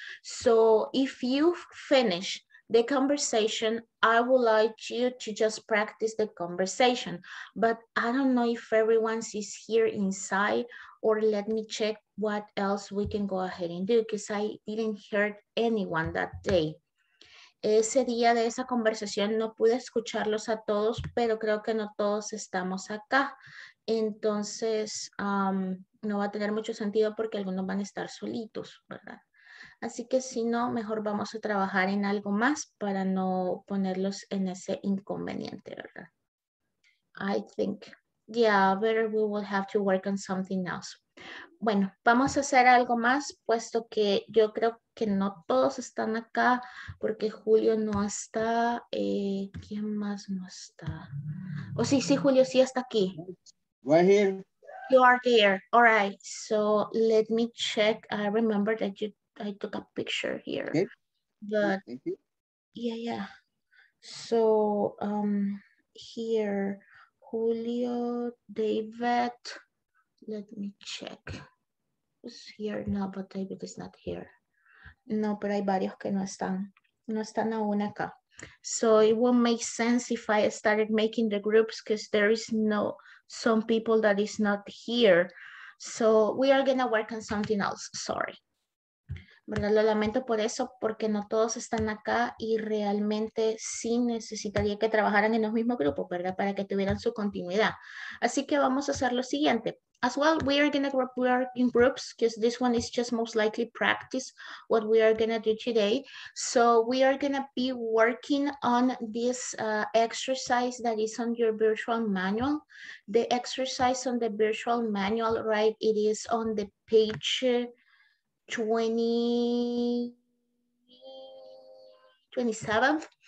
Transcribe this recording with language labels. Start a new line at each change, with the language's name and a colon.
English: So if you finish the conversation, I would like you to just practice the conversation. But I don't know if everyone is here inside, or let me check what else we can go ahead and do, because I didn't hear anyone that day.
Spanish: Ese día de esa conversación no pude escucharlos a todos, pero creo que no todos estamos acá. Entonces, no va a tener mucho sentido porque algunos van a estar solitos, ¿verdad? Así que si no, mejor vamos a trabajar en algo más para no ponerlos en ese inconveniente, ¿verdad?
English: I think, yeah, better we will have to work on something else.
Spanish: Bueno, vamos a hacer algo más, puesto que yo creo que no todos están acá, porque Julio no está. ¿Quién más no está? Oh, sí, Julio sí está aquí.
English: Right here. you are there. All right. So let me check. I remember that you I took a picture here. Okay. But thank you. Yeah, yeah. So here, Julio, David. Let me check. Who's here? No, but David is not here.
Spanish: No, pero hay varios que no están. No están aún acá.
English: So it will make sense if I started making the groups because there is no some people that is not here. So we are going to work on something else. Sorry.
Spanish: ¿Verdad? Lo lamento por eso, porque no todos están acá y realmente sí necesitaría que trabajaran en los mismos grupos, ¿verdad? Para que tuvieran su continuidad. Así que vamos a hacer lo siguiente.
English: As well, we are going to work in groups because this one is just most likely practice what we are going to do today. So we are going to be working on this exercise that is on your virtual manual. The exercise on the virtual manual, right? It is on the page 27.